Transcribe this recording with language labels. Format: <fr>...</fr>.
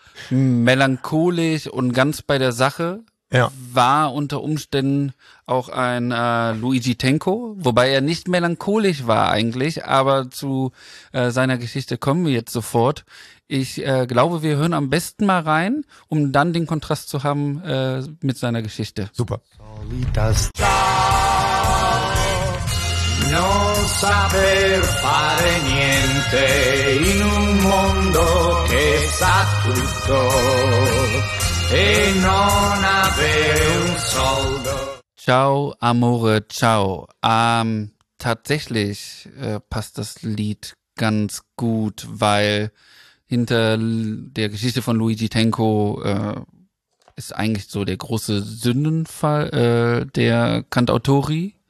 <de>Melancholisch und ganz bei der Sache war unter Umständen auch ein Luigi Tenco, wobei er nicht melancholisch war eigentlich, aber zu seiner Geschichte kommen wir jetzt sofort. Ich glaube, wir hören am besten mal rein, um dann den Kontrast zu haben mit seiner Geschichte. Super.</de> <it>Non saper fare niente in un mondo che sa tutto e non avere un soldo. Ciao amore, ciao.</it> <de>Tatsächlich passt das Lied ganz gut, weil hinter der Geschichte von Luigi Tenco ist eigentlich so der große Sündenfall der Cantautori.</de>